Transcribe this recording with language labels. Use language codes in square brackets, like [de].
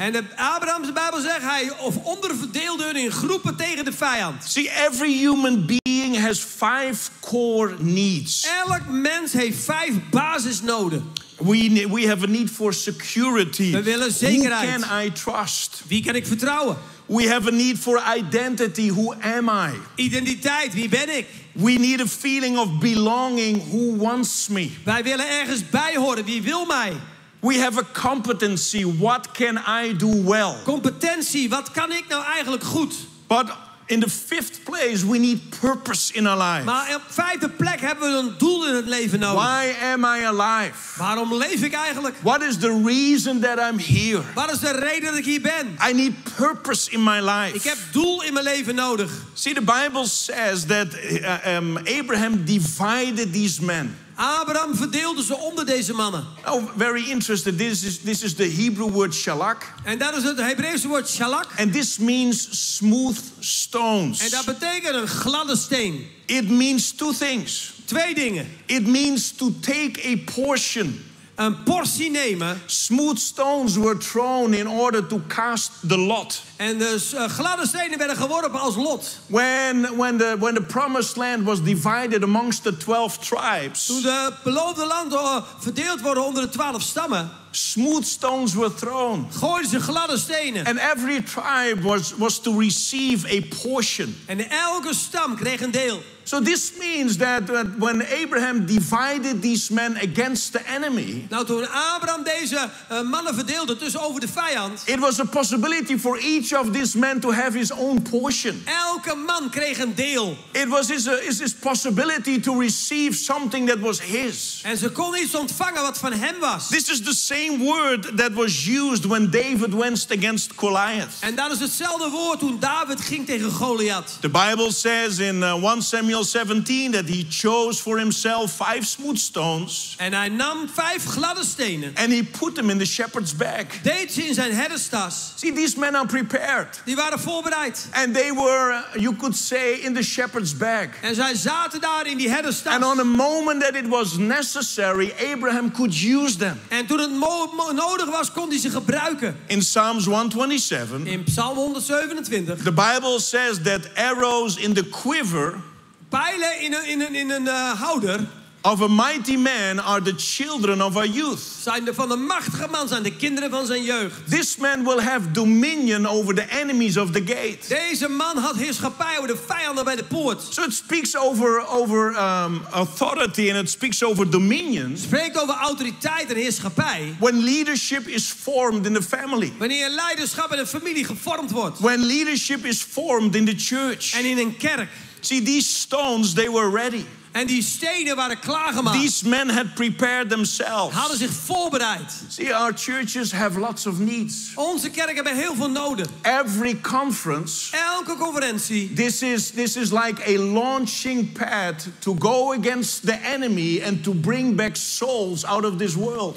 [nl] En de Abrahams Bijbel zegt hij of onderverdeelde hun in groepen tegen de vijand. [en] See, every human being has five core needs. [nl] Elk mens heeft vijf basis nodig. [en] We have a need for security. [nl] We willen zekerheid. [en] Who can I trust? [nl] Wie kan ik vertrouwen? [en] We have a need for identity. Who am I? [nl] Identiteit, wie ben ik? [en] We need a feeling of belonging. Who wants me? [nl] Wij willen ergens bij horen. Wie wil mij? [en] We have a competency. What can I do well? [nl] Competentie, wat kan ik nou eigenlijk goed? [en] But in the fifth place, we need purpose in our life. [nl] Maar op vijfde plek hebben we een doel in het leven nodig. [en] Why am I alive? [nl] Waarom leef ik eigenlijk? [en] What is the reason that I'm here? [nl] Wat is de reden dat ik hier ben? [en] I need purpose in my life. [nl] Ik heb doel in mijn leven nodig. [en] See, the Bible says that Abraham divided these men. [nl] Abraham verdeelde ze onder deze mannen. [en] Oh, very interesting. This is the Hebrew word shalak. [nl] En dat is het Hebreeuwse woord shalak. [en] And this means smooth stones. [nl] En dat betekent een gladde steen. [en] It means two things. [nl] Twee dingen. [en] It means to take a portion. [nl] Een portie nemen. [en] Smooth stones were thrown in order to cast the lot. [nl] En dus gladde stenen werden geworpen als lot. [en] When the promised land was divided amongst the 12 tribes. [nl] Toen de beloofde land verdeeld worden onder de 12 stammen. [en] Smooth stones were thrown. [nl] Gooiden ze gladde stenen. [en] And every tribe was to receive a portion. [nl] En elke stam kreeg een deel. [en] So this means that when Abraham divided these men against the enemy. [nl] Nou, toen Abraham deze mannen verdeelde tussen over de vijand. [en] It was a possibility for each of these men to have his own portion. [nl] Elke man kreeg een deel. [en] It was his possibility to receive something that was his. [nl] En ze kon iets ontvangen wat van hem was. [en] This is the same word that was used when David went against Goliath. [nl] En dat is hetzelfde woord toen David ging tegen Goliath. [en] The Bible says in 1 Samuel 17 that he chose for himself five smooth stones. [nl] En hij nam vijf gladde stenen. [en] And he put them in the shepherd's bag. [nl] Deed ze in zijn herderstas. [en] See, these men are prepared. [nl] Die waren voorbereid. [en] And they were, you could say, in the shepherd's bag. [nl] En zij zaten daar in die herderstas. [en] And on a moment that it was necessary, Abraham could use them. [nl] En toen het nodig was, kon hij ze gebruiken. [en] In Psalms 127. [nl] In Psalm 127. [en] The Bible says that arrows in the quiver. [nl] Pijlen in een houder. [en] Of a mighty man are the children of our youth. [nl] Zijn de van de machtige man zijn de kinderen van zijn jeugd. [en] This man will have dominion over the enemies of the gate. [nl] Deze man had heerschappij over de vijanden bij de poort. [en] So it speaks over authority and it speaks over dominion. [nl] Spreekt over autoriteit en heerschappij. [en] When leadership is formed in the family. [nl] Wanneer leiderschap in de familie gevormd wordt. [en] When leadership is formed in the church. [nl] En in een kerk. [en] See, these stones, they were ready. [nl] En die stenen waren klaargemaakt. [en] These men had prepared themselves. [nl] Hadden zich voorbereid. [en] See, our churches have lots of needs. [nl] Onze kerken hebben heel veel nodig. [en] Every conference. [nl] Elke conferentie. [en] This is like a launching pad to go against the enemy and to bring back souls out of this world.